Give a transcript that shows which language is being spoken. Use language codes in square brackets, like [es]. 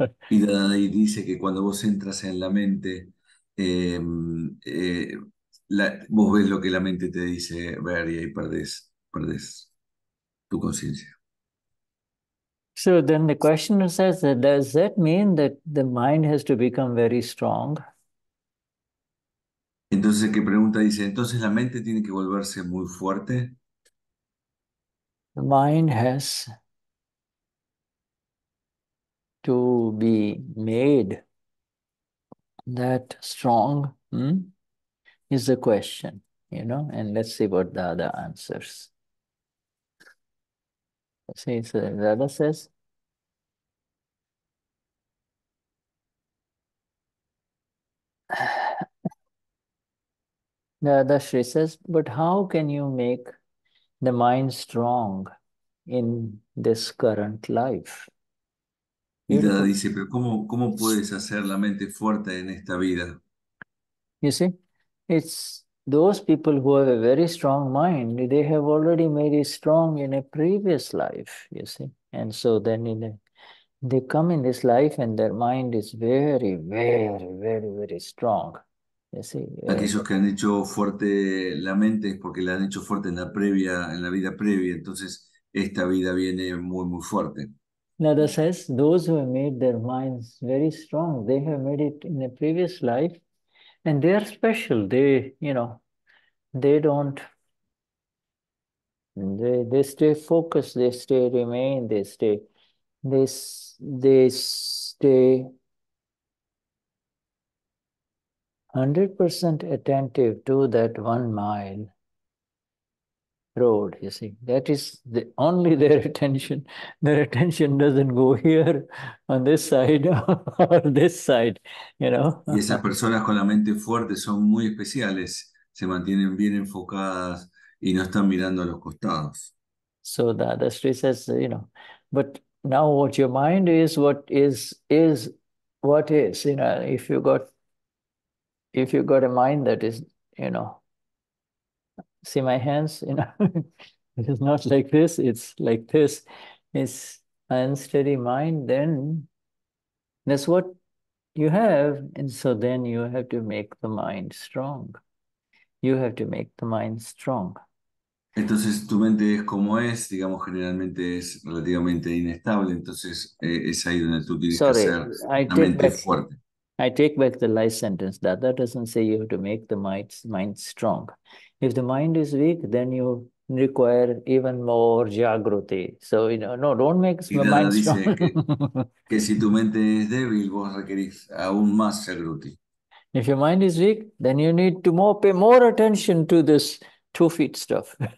[es] Y Dadai dice que cuando vos entras en la mente, vos ves lo que la mente te dice ver y ahí perdés tu conciencia. [en] So then the questioner says, does that mean that the mind has to become very strong? [es] Entonces, ¿qué pregunta? Dice, ¿entonces la mente tiene que volverse muy fuerte? [en] The mind has to be made that strong, is the question, you know? And let's see what the other answers. See, so the other says, Dadashri says, but how can you make the mind strong in this current life? [es] Y Dada dice, pero ¿cómo puedes hacer la mente fuerte en esta vida? [en] You see, it's those people who have a very strong mind, they have already made it strong in a previous life, you see. And so then they come in this life and their mind is very, very, very, very strong. [es] Aquellos que han hecho fuerte la mente es porque la han hecho fuerte en la previa, en la vida previa. Entonces esta vida viene muy muy fuerte. [en] Nada says those who have made their minds very strong, they have made it in a previous life, and they are special. They, you know, they don't They stay focused, they stay remain, they stay 100% attentive to that 1 mile road, you see. That is the only their attention. Their attention doesn't go here on this side or this side, you know. [es] Y esas personas con la mente fuerte son muy especiales, se mantienen bien enfocadas y no están mirando a los costados. [en] So the Dadashri says, you know, but now what your mind is, what is what is, you know, if you got a mind that is, you know, see my hands, you know, it is not like this, it's like this, it's an unsteady mind, then that's what you have. And so then you have to make the mind strong. You have to make the mind strong. [es] Entonces tu mente es como es, digamos, generalmente es relativamente inestable, entonces es ahí donde tú tienes [en] Sorry, [es] que hacer la mente fuerte. [en] I take back the last sentence. Dada doesn't say you have to make the mind strong. If the mind is weak, then you require even more jagruti. So, you know, no, don't make [es] y [en] my mind [es] dice [en] strong. [es] Que si tu mente es débil, vos requerís aún más jagruti. [en] If your mind is weak, then you need to more pay more attention to this 2 feet stuff.